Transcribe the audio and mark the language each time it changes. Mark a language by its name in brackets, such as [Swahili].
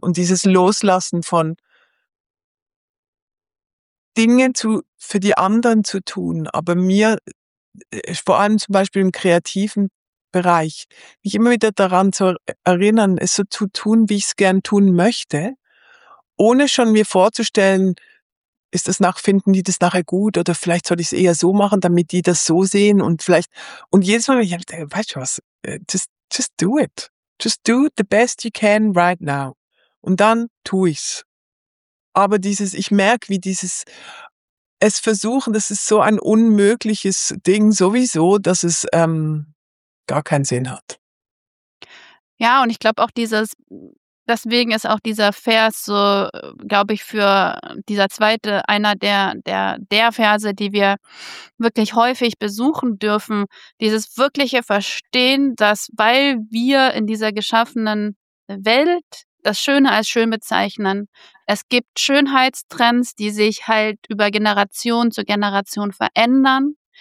[German] Und dieses Loslassen von Dingen für die anderen zu tun, aber mir, vor allem zum Beispiel im kreativen Bereich, mich immer wieder daran zu erinnern, es so zu tun, wie ich es gern tun möchte, ohne schon mir vorzustellen, ist das nach, finden die das nachher gut oder vielleicht soll ich es eher so machen, damit die das so sehen und vielleicht, und jedes Mal, [English] just do it. Just do the best you can right now. [German] Und dann tue ich's. Aber dieses, ich merke, wie dieses, es versuchen, das ist so ein unmögliches Ding sowieso, dass es gar keinen Sinn hat. Ja, und ich glaube auch dieses, deswegen ist auch dieser Vers so, glaube ich, für dieser zweite, einer der Verse, die wir wirklich häufig besuchen dürfen, dieses wirkliche Verstehen, dass weil wir in dieser geschaffenen Welt das Schöne als schön bezeichnen, es gibt Schönheitstrends, die sich halt über Generation zu Generation verändern.